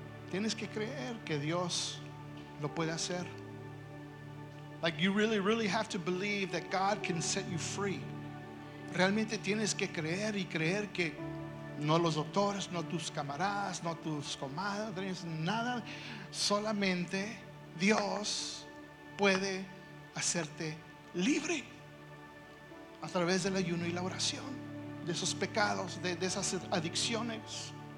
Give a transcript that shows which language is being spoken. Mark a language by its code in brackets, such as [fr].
[es] Tienes que creer que Dios lo puede hacer. [en] Like you really, really have to believe that God can set you free. [es] Realmente tienes que creer y creer que no los doctores, no tus camaradas, no tus comadres, nada, solamente Dios puede hacerte libre a través del ayuno y la oración, de esos pecados, de esas adicciones.